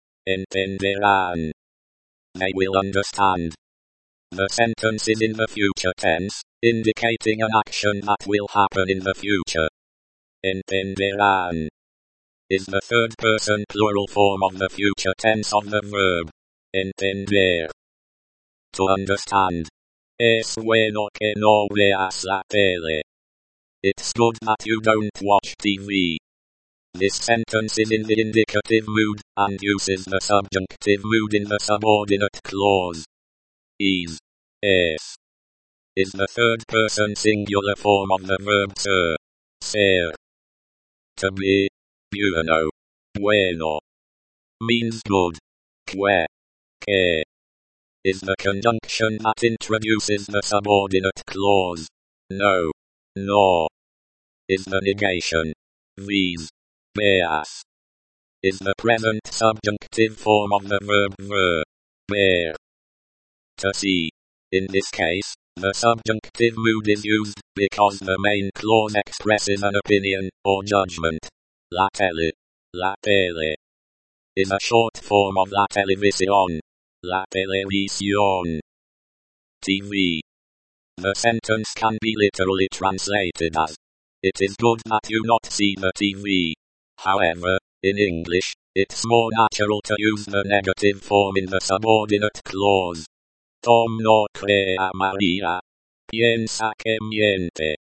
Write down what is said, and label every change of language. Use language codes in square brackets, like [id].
[en] Entenderán. They will understand. The sentence is in the future tense, indicating an action that will happen in the future. Entenderán. Is the third person plural form of the future tense of the verb. Entender. To understand. [es] Es bueno que no veas la tele. [en] It's good that you don't watch TV. This sentence is in the indicative mood, and uses the subjunctive mood in the subordinate clause. Es. Is the third person singular form of the verb ser. [es] Ser. To be. Bueno. Bueno. Means good. Que. Que. [en] Is the conjunction that introduces the subordinate clause. No. No. Is the negation. These. Veas. Is the present subjunctive form of the verb ver. Ver. To see. In this case, the subjunctive mood is used because the main clause expresses an opinion or judgment. [es] La tele. La tele. [en] Is a short form of la televisión. [es] La televisión. TV. [en] The sentence can be literally translated as, it is good that you not see the TV. However, in English, it's more natural to use the negative form in the subordinate clause. [es] Tom no cree a María. Piensa que miente.